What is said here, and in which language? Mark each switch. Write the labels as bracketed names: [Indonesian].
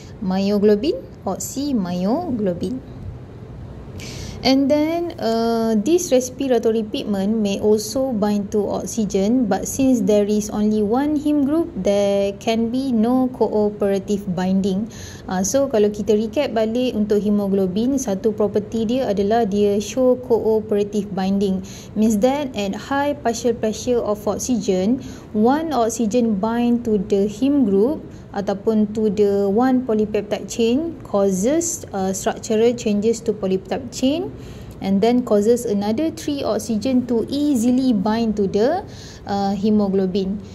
[English] Myoglobin, oxymyoglobin. And then, this respiratory pigment may also bind to oxygen, but since there is only one heme group, there can be no cooperative binding. [Malay] So, kalau kita recap balik untuk hemoglobin, satu property dia adalah dia [English] show cooperative binding. Means that at high partial pressure of oxygen, one oxygen bind to the heme group [Malay] ataupun [English] to the one polypeptide chain causes structural changes to polypeptide chain and then causes another 3 oxygen to easily bind to the hemoglobin.